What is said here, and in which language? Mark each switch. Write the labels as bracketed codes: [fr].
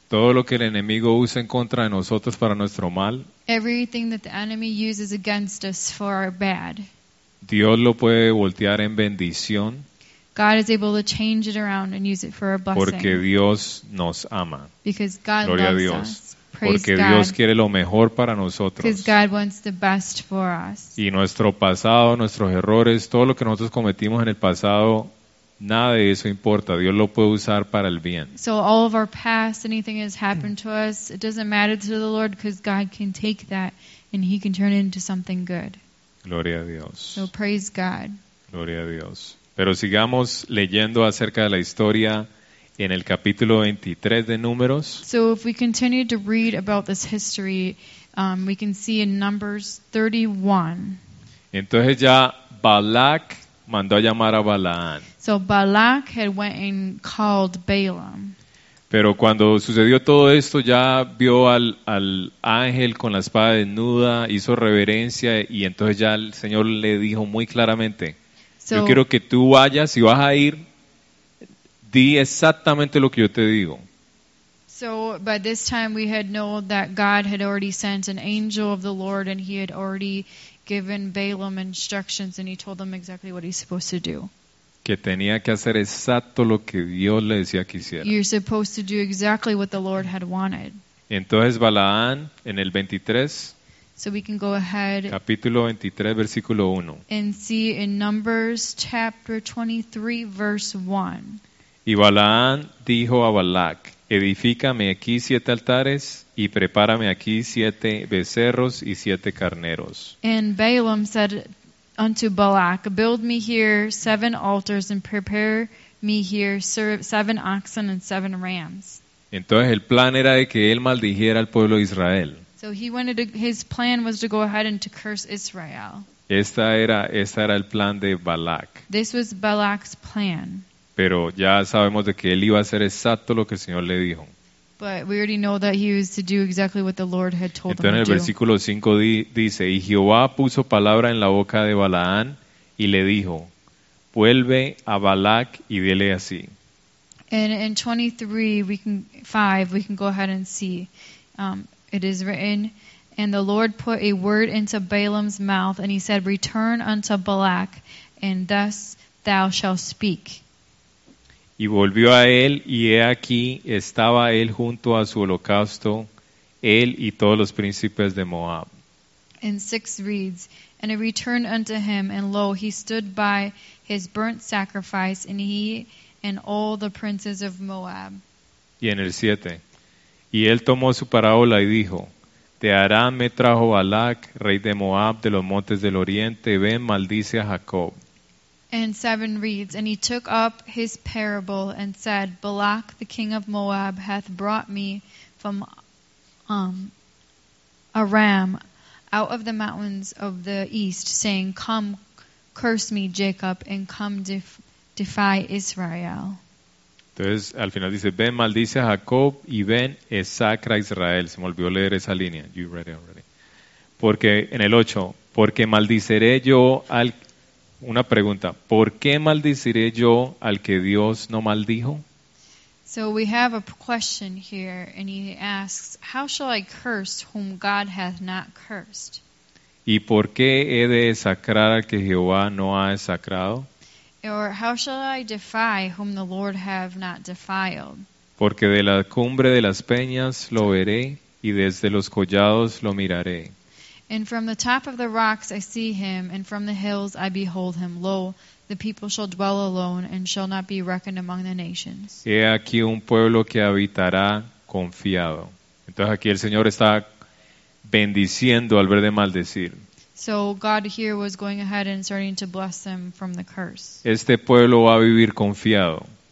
[es] Todo lo que el enemigo usa en contra de nosotros para nuestro mal. [en] Everything that the enemy uses against us for our bad. [es] Dios lo puede voltear en bendición. [en] God is able to change it around and use it for a blessing. [es] Porque Dios nos ama. [en] Because God [es] gloria [en] loves [es] a Dios [en] us. [es] Porque [en] God, [es] Dios quiere lo mejor para nosotros. [en] Because God wants the best for us. [es] Y nuestro pasado, nuestros errores, todo lo que nosotros cometimos en el pasado, nada de eso importa. Dios lo puede usar para el bien. [en] So all of our past, anything has happened to us, it doesn't matter to the Lord because God can take that and He can turn it into something good. [es] Gloria a Dios. [en] So praise God. [es] Gloria a Dios. Pero sigamos leyendo acerca de la historia en el capítulo 23 de Números. [en] So if we continue to read about this history, we can see in Numbers 31. [es] Entonces ya Balak mandó a llamar a Balaán. [en] So Balak had went and called Balaam. [es] Pero cuando sucedió todo esto, ya vio al ángel con la espada desnuda, hizo reverencia y entonces ya el Señor le dijo muy claramente, so, yo quiero que tú vayas y vas a ir, di exactamente lo que yo te digo. [en] So by this time we had known that God had already sent an angel of the Lord and he had already given Balaam instructions and he told them exactly what he's supposed to do. [es] Que tenía que hacer exacto lo que Dios le decía que hiciera. [en] You're supposed to do exactly what the Lord had wanted. [es] Entonces Balaán en el 23. [en] So we can go ahead. [es] Capítulo 23 versículo 1. [en] And see in Numbers chapter 23 verse 1. [es] Y Balaán dijo a Balak, edifícame aquí 7 altares y prepárame aquí 7 becerros y 7 carneros. [en] And Balaam said unto Balak, build me here 7 altars and prepare me here 7 oxen and 7 rams. [es] Entonces el plan era de que él maldijera al pueblo de Israel. [en] So he wanted to, his plan was to go ahead and to curse Israel. [es] Esta era el plan de Balak. [en] This was Balak's plan. [es] Pero ya sabemos de que él iba a hacer exacto lo que el Señor le dijo. [en] But we already know that he was to do exactly what the Lord had told him to do. [es] Entonces en el versículo 5 dice, y Jehová puso palabra en la boca de Balaán y le dijo, vuelve a Balak y dile así. [en] And in 5 we can go ahead and see. It is written, and the Lord put a word into Balaam's mouth, and he said, return unto Balak, and thus thou shalt speak. [es] Y volvió a él, y he aquí, estaba él junto a su holocausto, él y todos los príncipes de Moab. [en] And 6 reads, and it returned unto him, and lo, he stood by his burnt sacrifice, and he and all the princes of Moab. [es] Y en el 7, y él tomó su parábola y dijo, de Aram me trajo Balak, rey de Moab, de los montes del oriente, ven, maldice a Jacob. [en] And 7 reads, and he took up his parable and said, Balak, the king of Moab, hath brought me from Aram out of the mountains of the east, saying, come, curse me, Jacob, and come, defy Israel. [es] Entonces, al final dice, ven, maldice a Jacob, y ven, exacra a Israel. Se me olvidó leer esa línea. [en] You read it already. [es] Porque, en el 8, porque maldiceré yo al... Una pregunta, ¿por qué maldiciré yo al que Dios no maldijo? [en] So we have a question here, and he asks, how shall I curse whom God hath not cursed? [es] ¿Y por qué he de desacrar al que Jehová no ha desacrado? [en] Or how shall I defy whom the Lord have not defiled? [es] Porque de la cumbre de las peñas lo veré, y desde los collados lo miraré. [en] And from the top of the rocks I see him, and from the hills I behold him. Lo, the people shall dwell alone, and shall not be reckoned among the nations. [es] He aquí un pueblo que habitará confiado. Entonces aquí el Señor está bendiciendo al ver de maldecir. [en] So God here was going ahead and starting to bless them from the curse. [es] Este pueblo va a vivir confiado.